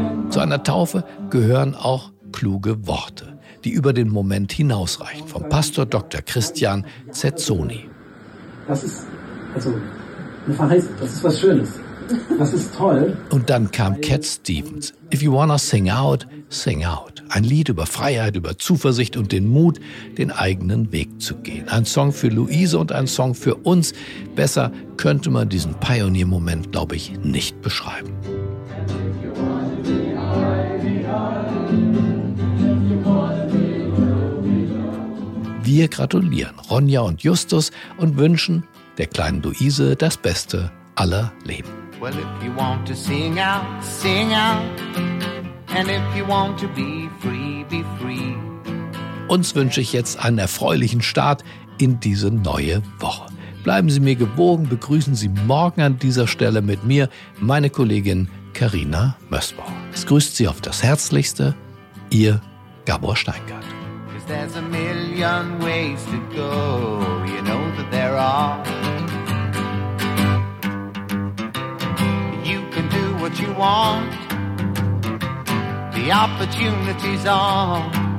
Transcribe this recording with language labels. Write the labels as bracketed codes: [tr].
[de] Zu einer Taufe gehören auch kluge Worte, die über den Moment hinausreichen. Vom Pastor Dr. Christian Zezzoni. Das ist was Schönes. Das ist toll. Und dann kam Cat Stevens. [en] If you wanna sing out, sing out. [de] Ein Lied über Freiheit, über Zuversicht und den Mut, den eigenen Weg zu gehen. Ein Song für Luise und ein Song für uns. Besser könnte man diesen Pioneer-Moment, glaube ich, nicht beschreiben. Wir gratulieren Ronja und Justus und wünschen der kleinen Luise das Beste aller Leben. [en] Well, if you want to sing out, sing out. And if you want to be free, be free. [de] Uns wünsche ich jetzt einen erfreulichen Start in diese neue Woche. Bleiben Sie mir gewogen, begrüßen Sie morgen an dieser Stelle mit mir, meine Kollegin Carina Mössbauer. Es grüßt Sie auf das Herzlichste, Ihr Gabor Steingart. [en] There's a million ways to go, you know that there are. You can do what you want, the opportunity's on.